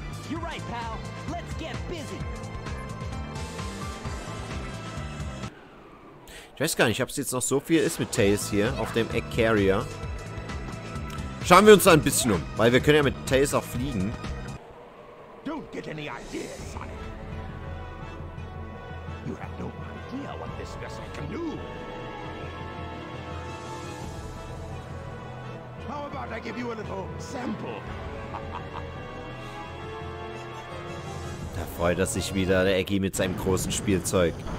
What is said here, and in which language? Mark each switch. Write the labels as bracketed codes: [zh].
[en] You're right, pal. Let's get busy. [de] Ich weiß gar nicht, ob es jetzt noch so viel ist mit Tails hier auf dem Egg Carrier. Schauen wir uns da ein bisschen um, weil wir können ja mit Tails auch fliegen. [en] Don't get any ideas, Sonic. You have no idea what this vessel can do. How about I give you a little sample? [de] Da freut er sich wieder, der Eggie, mit seinem großen Spielzeug.